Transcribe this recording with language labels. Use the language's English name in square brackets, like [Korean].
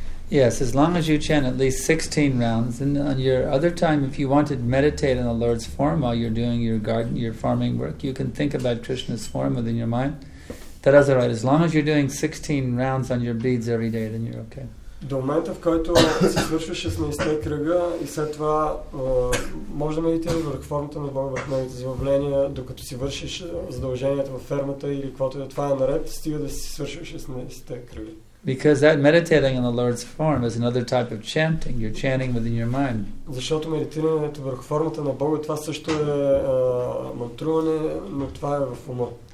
[English] Yes, as long as you chant at least 16 rounds, and on your other time, if you want to meditate on the Lord's form while you're doing your garden, your farming work, you can think about Krishna's form within your mind. That is all right. As long as you're doing 16 rounds on your beads every day, then you're okay. [Bulgarian] До момента, в който се свършва 16-те кръга и след това може да медитира върху формата на Бога в новите заявления, докато си вършиш задълженията във фермата или каквото е, това е наред, стига да си свършва 16-те кръга. [English] Because that meditating on the Lord's form is another type of chanting. You're chanting within your mind. [Bulgarian] Защото медитирането върху формата на Бога, това също е мантруване, но това е в ума.